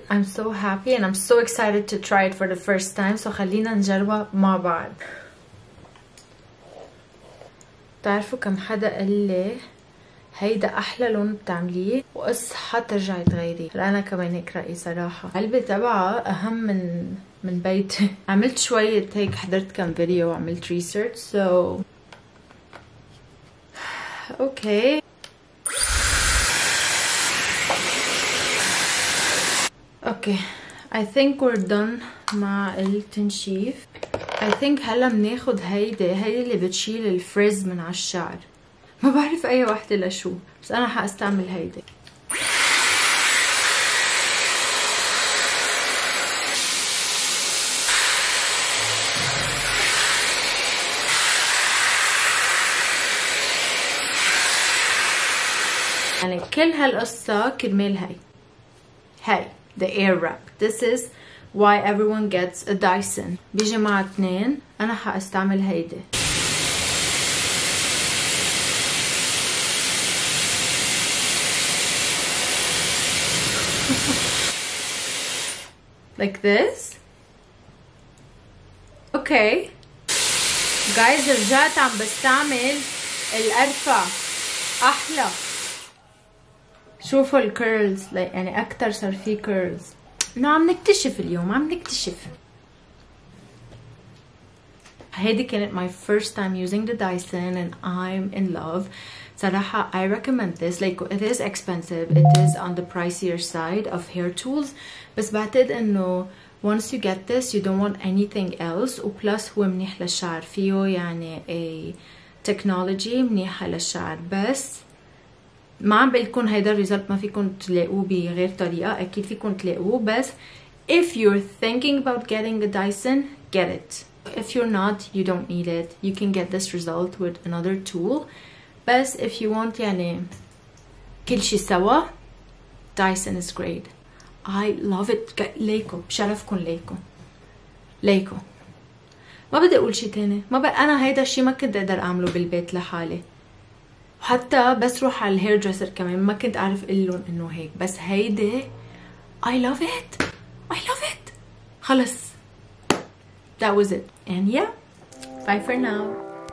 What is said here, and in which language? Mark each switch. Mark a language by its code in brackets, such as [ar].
[en] I'm so happy and I'm so excited to try it for the first time. [ar] So خلينا نجربها مع بعض. بتعرفوا كم حدا قال لي هيدا احلى لون بتعمليه واصحى ترجعي تغيري. انا كمان هيك رايي صراحه، قلبي تبعها اهم من بيتي. عملت شويه هيك، حضرت كم فيديو وعملت ريسيرش. [en] so okay okay I think we're done [ar] مع التنشيف. [en] I think [ar] هلا بناخد هيدي اللي بتشيل الفريز من على الشعر، ما بعرف اي وحده لشو، بس انا حاستعمل هيدي. يعني كل هالقصة كرمال هاي [en] the air wrap. This is why everyone gets a Dyson. [ar] بيجي مع اثنين، انا حاستعمل هيدي. [en] Like this. Okay. [ar] Guys, رجعت عم بستعمل الارفع. احلى. شوفوا الكيرلز، يعني اكثر صار في كيرلز. عم نكتشف اليوم، عم نكتشف. هيدي كانت [en] my first time using the Dyson and I'm in love. صراحة I recommend this. Like it is expensive. It is on the pricier side of hair tools. [ar] بس بعتقد انه [en] once you get this you don't want anything else. [ar] و plus هو منيح للشعر، فيه يعني [en] a technology [ar] منيحة للشعر. بس ما عم بقلكم هيدا الريزلت ما فيكم تلاقوه بغير طريقة، أكيد فيكم تلاقوه. [en] بس if you're thinking about getting a Dyson, get it. If you're not, you don't need it. You can get this result with another tool. بس if you want [ar] يعني كل شي سوا، [en] Dyson is great. I love it. [ar] ليكو بشرفكم، ليكو ليكو. ما بدي أقول شي تاني، ما بقى أنا هيدا الشي ما كنت أقدر أعمله بالبيت لحالي. حتى بس روح على الهير دريسر كمان ما كنت اعرف اقول لهم انه هيك. بس هيدي [en] I love it. I love it. [ar] خلص. [en] That was it. And yeah. Bye for now.